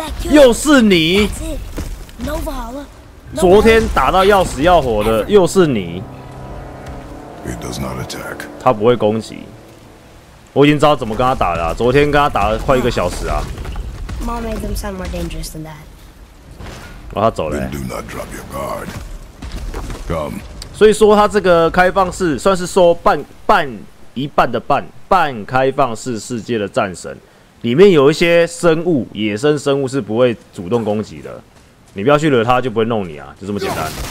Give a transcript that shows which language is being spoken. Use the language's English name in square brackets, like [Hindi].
[Chinese] 又是你！昨天打到要死要活的，又是你。 [English] It does not attack. [Chinese] 他不会攻击。我已经知道怎么跟他打了、啊，昨天跟他打了快一个小时啊。 [English] Mom made them sound more dangerous than that. [Chinese] 哇，他走了、欸。 [English] Do not drop your guard. Come. [Chinese] 所以说他这个开放式算是说半一半的半开放式世界的战神，里面有一些生物，野生生物是不会主动攻击的，你不要去惹他，就不会弄你啊，就这么简单。